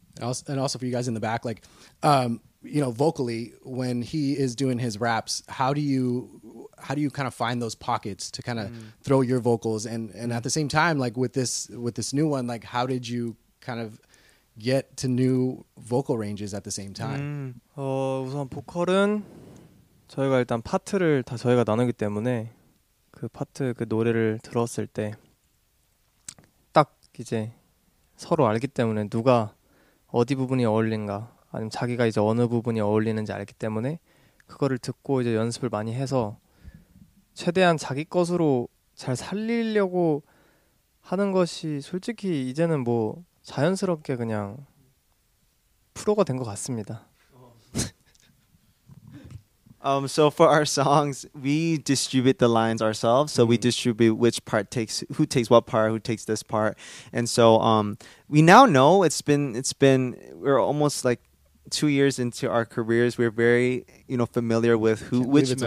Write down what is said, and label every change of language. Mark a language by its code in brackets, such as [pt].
[en] And also for you guys in the back, like you know, vocally, when he is doing his raps, how do you kind of find those pockets to kind of throw your vocals? And at the same time, like with this new one, like how did you kind of get to new vocal ranges at the same time? [ko] 우선 보컬은 저희가 일단 파트를 다 저희가 나누기 때문에 그 파트 그 노래를 들었을 때 딱 이제 서로 알기 때문에 누가 어디 부분이 어울린가 아니면 자기가 이제 어느 부분이 어울리는지 알기 때문에 그거를 듣고 이제 연습을 많이 해서 최대한 자기 것으로 잘 살리려고 하는 것이 솔직히 이제는 뭐 자연스럽게 그냥 프로가 된 것 같습니다. [en] So for our songs, we distribute the lines ourselves. So we distribute which part takes, who takes what part, who takes this part. And so we now know it's been, we're almost like 2 years into our careers, we're very, you know, familiar with who, which member,